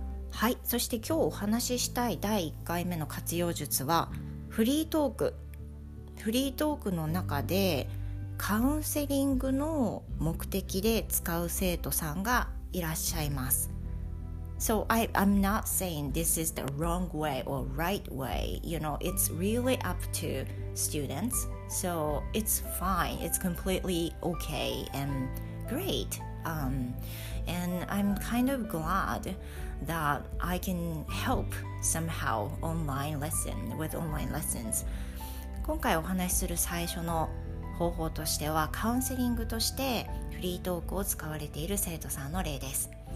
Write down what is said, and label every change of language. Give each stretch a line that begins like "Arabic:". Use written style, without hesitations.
Japanese: はい、そして今日お話ししたい第1回目の活用術はフリートーク。フリートークの中でカウンセリングの目的で使う生徒さんがいらっしゃいます。
English: So I'm not saying this is the wrong way or right way. You know, it's really up to students. So it's fine. It's completely okay and great. And I'm kind of glad that I can help somehow online lessons.
Japanese: 今回お話しする最初の方法としてはカウンセリングとしてフリートークを使われている生徒さんの例です。